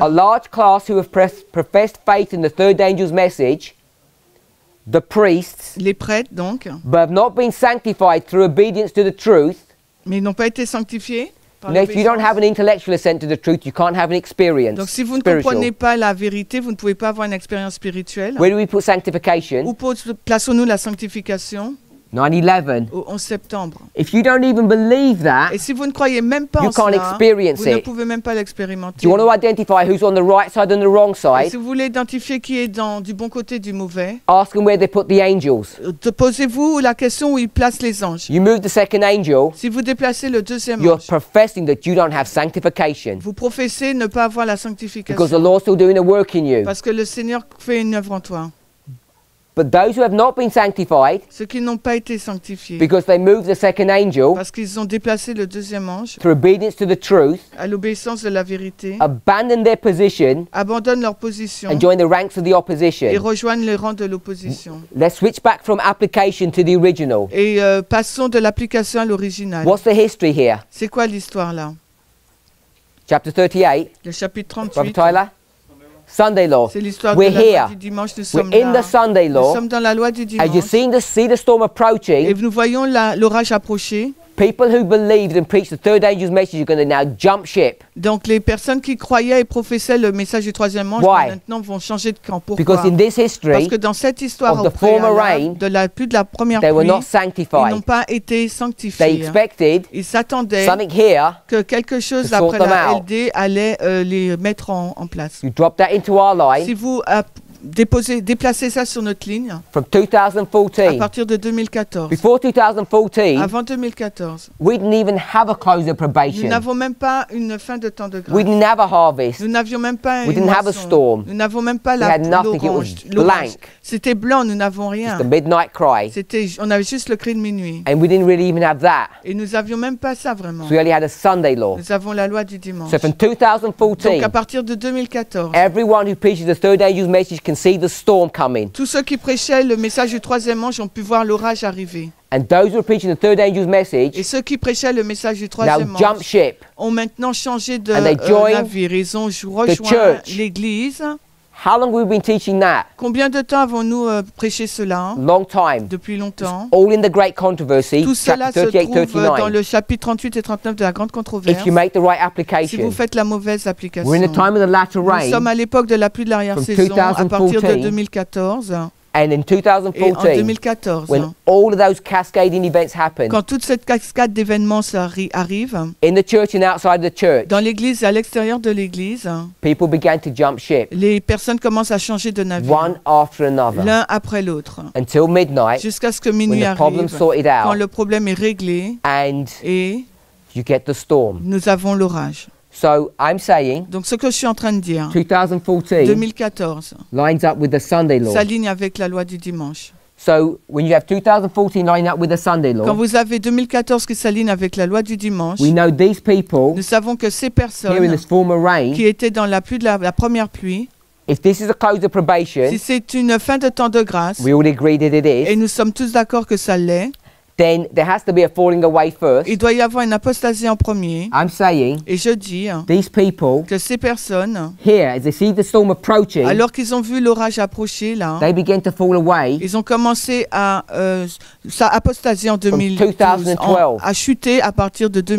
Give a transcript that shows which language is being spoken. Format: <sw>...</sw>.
<en>a large class who have professed faith in the third angel's message, the priests,</en> <fr>les prêtres donc,</fr> <en>but have not been sanctified through obedience to the truth.</en> <fr>Mais ils n'ont pas été sanctifiés.</fr> <en>Now, if you don't have an intellectual assent to the truth, you can't have an experience.</en> <fr>Donc, si vous ne comprenez pas la vérité, vous ne pouvez pas avoir une expérience spirituelle.</fr> <en>Where do we put sanctification?</en> <fr>Où plaçons-nous la sanctification?</fr> <en>9/11.</en> <fr>Au 11 septembre.</fr> <en>If you don't even believe that,</en> <fr>et si vous ne croyez même pas</fr> <en>you</en> <fr>en</fr> <en>can't</en> <fr>cela,</fr> <en>experience</en> <fr>vous</fr> <en>it.</en> <fr>Ne pouvez même pas l'expérimenter.</fr> <en>Do you want to identify who's on the right side and the wrong side?</en> <fr>Et si vous voulez identifier qui est dans du bon côté du mauvais,</fr> <en>ask them where they put the angels.</en> <fr>Posez-vous la question où ils placent les anges.</fr> <en>You move the second angel.</en> <fr>Si vous déplacez le deuxième</fr> <en>you're you're professing that you don't have sanctification.</en> <fr>Vous professez ne pas avoir la sanctification.</fr> <en>Because the Lord's still doing a work in you.</en> <fr>Parce que le Seigneur fait une œuvre en toi.</fr> <en>But those who have not been sanctified,</en> <fr>ceux qui n'ont pas été sanctifiés,</fr> <en>because they moved the second angel,</en> <fr>parce qu'ils ont déplacé le deuxième ange,</fr> <en>through obedience to the truth,</en> <fr>à l'obéissance de la vérité,</fr> <en>abandon their position,</en> <fr>abandonnent leur position,</fr> <en>and join the ranks of the opposition,</en> <fr>et rejoignent les rangs de l'opposition.</fr> <en>Let's switch back from application to the original.</en> <fr>Et passons de l'application à l'original.</fr> <en>What's the history here?</en> <fr>C'est quoi l'histoire là?</fr> <en>Chapter 38.</en> <fr>Le chapitre 38.</fr> <en>Brother Tyler. Sunday law.</en> <fr>C'est l'histoire</fr> <en>we're</en> <fr>de la</fr> <en>here.</en> <fr>Loi du dimanche, nous</fr> <en>we're</en> <fr>sommes</fr> <en>in</en> <fr>là.</fr> <en>The Sunday law.</en> <fr>Nous sommes dans la loi du dimanche.</fr> <en>As you're seeing the storm approaching.</en> <fr>Et nous voyons l'orage approcher.</fr> <en>People who believed and preached the third angel's message are going to now jump ship.</en> <fr>Donc les personnes qui croyaient et professaient le message du troisième ange maintenant vont changer de camp. Pourquoi?</fr> <en>Because in this history,</en> <fr>parce que dans cette histoire</fr> <en>of the former rain,</en> <fr>plus de la première</fr> <en>they</en> <fr>pluie,</fr> <en>were not sanctified.</en> <fr>Ils n'ont pas été sanctifiés.</fr> <en>They expected</en> <fr>ils s'attendaient</fr> <en>something here</en> <fr>que quelque chose après la LD allait les mettre en place.</fr> <en>You drop that into our line.</en> <fr>Si vous déplacer ça sur notre ligne.</fr> <en>From 2014.</en> <fr>À partir de 2014.</fr> <en>Before 2014.</en> <fr>Avant 2014.</fr> <en>We didn't even have a close of probation.</en> <fr>Nous n'avons même pas une fin de temps de grâce.</fr> <en>We didn't have a harvest.</en> <fr>Nous n'avions même pas</fr> <en>we didn't have a storm.</en> <fr>Nous n'avons même pas</fr> <en>we</en> <fr>la</fr> <en>had nothing. It was blank.</en> <fr>C'était blanc, nous n'avons rien.</fr> <en>Just the midnight cry.</en> <fr>On avait juste le cri de minuit.</fr> <en>And we didn't really even have that.</en> <fr>Et nous n'avions même pas ça vraiment.</fr> <en>So we only had a Sunday law.</en> <fr>Nous avons la loi du dimanche.</fr> <en>So from 2014.</en> <fr>Donc à partir de 2014.</fr> <en>Everyone who preaches the third angel's message can see the storm coming.</en> <fr>Tous ceux qui prêchaient le message du troisième ange ont pu voir l'orage arriver.</fr> <en>And those who are preaching the third angel's message.</en> <fr>Et ceux qui prêchaient le message du troisième ange.</fr> <en>Now jump ship.</en> <fr>Ont maintenant changé de navire. Ils ont rejoint l'église.</fr> <en>How long have we been teaching that?</en> <fr>Combien de temps avons-nous prêché cela?</fr> <en>Long time.</en> <fr>Depuis longtemps.</fr> <en>It's all in the great controversy.</en> <fr>Tout cela se trouve dans le chapitre 38 et 39 de la grande controverse.</fr> <en>If you make the right application.</en> <fr>Si vous faites la mauvaise application.</fr> <en>We're in the time of the latter rain.</en> <fr>Nous sommes à l'époque de la pluie de l'arrière-saison à partir de 2014.</fr> <en>And in 2014,</en> <fr>et en 2014,</fr> <en>when all of those cascading events happened,</en> <fr>quand toute cette cascade d'événements arrive,</fr> <en>in the church and outside the church,</en> <fr>dans l'église et à l'extérieur de l'église,</fr> <en>people began to jump ship.</en> <fr>Les personnes commencent à changer de navire,</fr> <en>one after another,</en> <fr>l'un après l'autre,</fr> <en>until midnight,</en> <fr>jusqu'à ce que minuit</fr> <en>when</en> <fr>arrive,</fr> <en>the problem sorted out,</en> <fr>quand le problème est réglé,</fr> <en>and</en> <fr>et</fr> <en>you get the storm.</en> <fr>Nous avons l'orage.</fr> <en>So I'm saying,</en> <fr>donc ce que je suis en train de dire,</fr> <en>2014 lines up with the Sunday law.</en> <fr>S'aligne avec la loi du dimanche.</fr> <en>So when you have 2014 lining up with the Sunday law,</en> <fr>quand vous avez 2014 qui s'aligne avec la loi du dimanche,</fr> <en>we know these people,</en> <fr>nous savons que ces personnes,</fr> <en>here in this former rain,</en> <fr>qui étaient dans la pluie de la première pluie,</fr> <en>if this is a close of probation,</en> <fr>si c'est une fin de temps de grâce,</fr> <en>we all agree that it is,</en> <fr>et nous sommes tous d'accord que ça l'est.</fr> <en>Then there has to be a falling away first.</en> <fr>Il doit y avoir une apostasie en premier.</fr> <en>I'm saying,</en> <fr>et je dis,</fr> <en>these people,</en> <fr>que ces personnes,</fr> <en>here, as they see the storm approaching,</en> <fr>alors qu'ils ont vu l'orage approcher là,</fr> <en>they begin to fall away.</en> <fr>Ils ont commencé à s'apostasier en 2012, à chuter à partir de 2012.</fr>